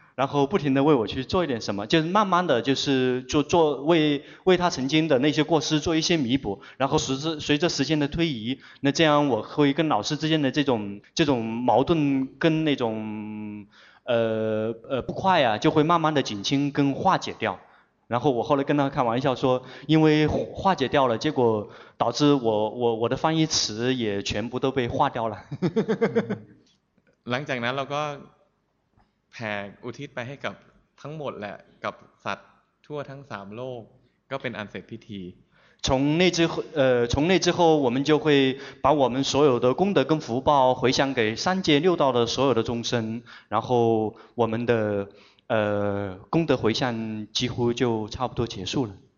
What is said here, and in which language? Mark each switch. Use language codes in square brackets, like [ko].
[zh] 然后不停地为我去做一点什么，就是慢慢的就是做为他曾经的那些过失做一些弥补，然后随着时间的推移，那这样我会跟老师之间的这种矛盾跟那种不快啊，就会慢慢的减轻跟化解掉。然后我后来跟他开玩笑说，因为化解掉了，结果导致我的翻译词也全部都被化掉了。 [th] หลังจากนั้นเราก็แผ่อุทิศไปให้กับทั้งหมดแหละกับสัตว์ทั่วทั้งสามโลกก็เป็นอันเสร็จพิธี。 [zh] 从那之后，我们就会把我们所有的功德跟福报回向给三界六道的所有的众生，然后我们的功德回向几乎就差不多结束了。